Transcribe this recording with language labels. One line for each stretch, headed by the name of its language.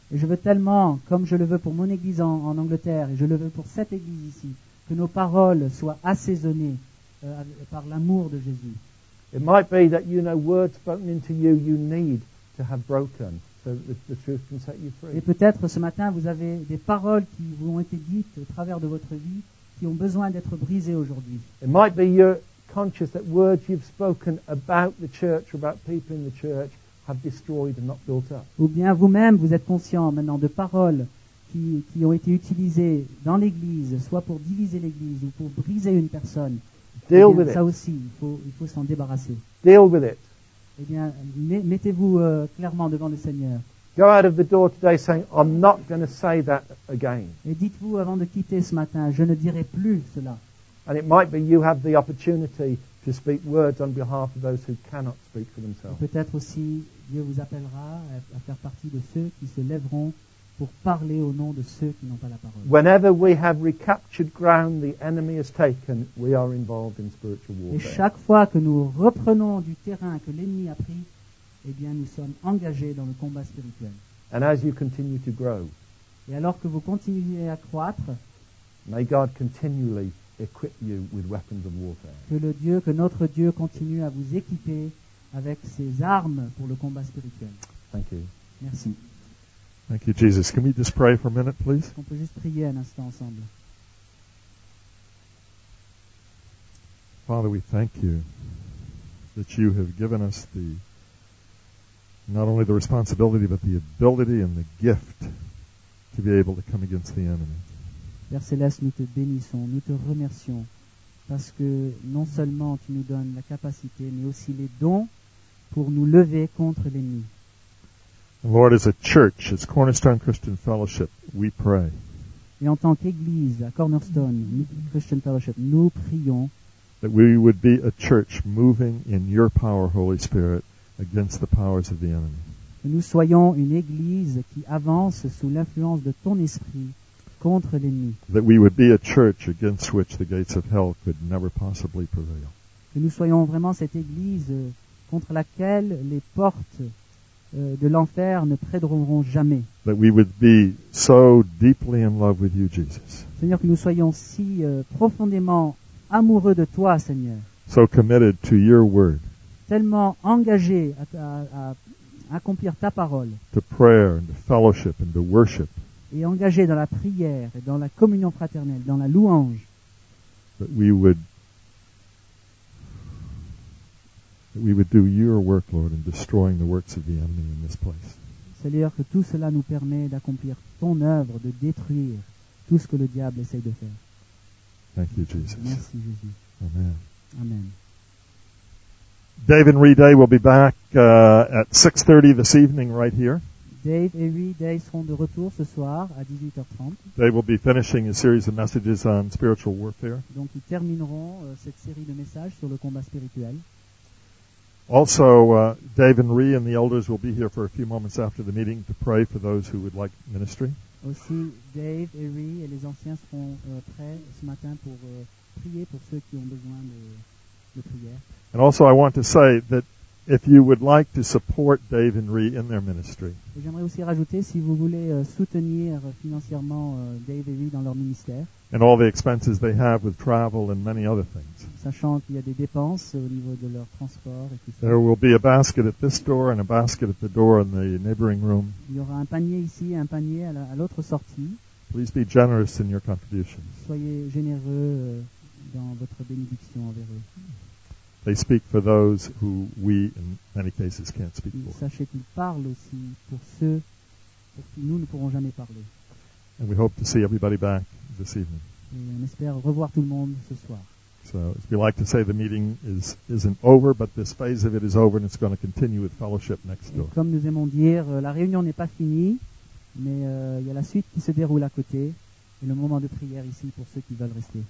French: Et je veux tellement, comme je le veux pour mon église en Angleterre, et je le veux pour cette église ici, que nos paroles soient assaisonnées par l'amour de Jésus.
English: It might be that you know words spoken into you need to have broken. so the truth can set you free.
French: Et peut-être ce matin vous avez des paroles qui vous ont été dites au travers de votre vie qui ont besoin d'être brisées aujourd'hui.
English: It might be you're conscious that words you've spoken about the church or about people in the church have destroyed and not built up.
French: Ou bien vous-même vous êtes conscient maintenant de paroles qui ont été utilisées dans l'église, soit pour diviser l'église ou pour briser une personne.
English: Deal with it.
French: Ça aussi, il faut s'en débarrasser.
English: Deal with it.
French: Eh bien, mettez-vous clairement devant le Seigneur.
English: Go out of the door today saying, I'm not going to say that again.
French: Et dites-vous avant de quitter ce matin, je ne dirai plus cela.
English: And it might be you have the opportunity to speak words on behalf of those who cannot speak for themselves.
French: Et peut-être aussi Dieu vous appellera à faire partie de ceux qui se lèveront pour parler au nom de ceux qui n'ont pas la parole.
English: Whenever we have recaptured ground the enemy has taken, we are involved in spiritual warfare.
French: Et chaque fois que nous reprenons du terrain que l'ennemi a pris, eh bien nous sommes engagés dans le combat spirituel.
English: And as you continue to grow,
French: et alors que vous continuez à croître,
English: may God continually equip you with weapons of warfare.
French: Que notre Dieu continue à vous équiper avec ses armes pour le combat spirituel.
English: Thank you.
French: Merci.
English: Thank you, Jesus. Can we just pray for a minute, please?
French: On peut juste prier un instant ensemble.
English: Father, we thank you that you have given us the not only the responsibility but the ability and the gift to be able to come against the enemy.
French: Père Céleste, nous te bénissons, nous te remercions parce que non seulement tu nous donnes la capacité mais aussi les dons pour nous lever contre l'ennemi.
English: Lord, as a church, as Cornerstone Christian Fellowship, we pray.
French: Et en tant qu'église, à Cornerstone Christian Fellowship, nous prions.
English: That we would be a church moving in your power, Holy Spirit, against the powers of the enemy.
French: Que nous soyons une église qui avance sous l'influence de ton esprit contre l'ennemi.
English: That we would be a church against which the gates of hell could never possibly prevail.
French: Que nous soyons vraiment cette église contre laquelle les portes de l'enfer ne prédomineront jamais.
English: That we would be so deeply in love with you, Jesus.
French: Seigneur, que nous soyons si profondément amoureux de toi, Seigneur.
English: So committed to your word.
French: Tellement engagés à accomplir ta parole.
English: To prayer and to fellowship and to worship.
French: Et engagés dans la prière et dans la communion fraternelle, dans la louange.
English: That we would do your work, Lord, in destroying the works of the enemy in this place.
French: Seigneur, que tout cela nous permet d'accomplir ton œuvre, de détruire tout ce que le diable essaye de faire.
English: Thank you, Jesus.
French: Merci, Jésus. Amen. Amen.
English: Dave and Reed Day will be back at 6:30 this evening right here.
French: Dave et Reed Day seront de retour ce soir à 18h30.
English: They will be finishing a series of messages on spiritual warfare.
French: Donc, ils termineront cette série de messages sur le combat spirituel.
English: Also, Dave and Ree and the elders will be here for a few moments after the meeting to pray for those who would like ministry.
French: Aussi, Dave et Ree et les anciens seront prêts ce matin pour prier pour ceux qui ont besoin de prière.
English: And also, I want to say that if you would like to support Dave and Ree in their ministry.
French: Et j'aimerais aussi rajouter si vous voulez soutenir financièrement Dave et Ree dans leur ministère.
English: And all the expenses they have with travel and many other things.
French: Sachant qu'il y a des dépenses au niveau de leur transport et tout ça.
English: There will be a basket at this door and a basket at the door in the neighboring room.
French: Il y aura un panier ici et un panier à l'autre sortie.
English: Please be generous in your contributions.
French: Soyez généreux dans votre bénédiction envers eux.
English: They speak for those who we, in many cases, can't speak for.
French: Sachez qu'ils parlent aussi pour ceux pour qui nous ne pourrons jamais parler.
English: And we hope to see everybody back this evening.
French: Et on espère revoir tout le monde ce soir.
English: So, as we like to say, the meeting isn't over, but this phase of it is over, and it's going to continue with fellowship next door.
French: Et comme nous aimons dire, la réunion n'est pas finie, mais il y a la suite qui se déroule à côté, et le moment de prière ici pour ceux qui veulent rester.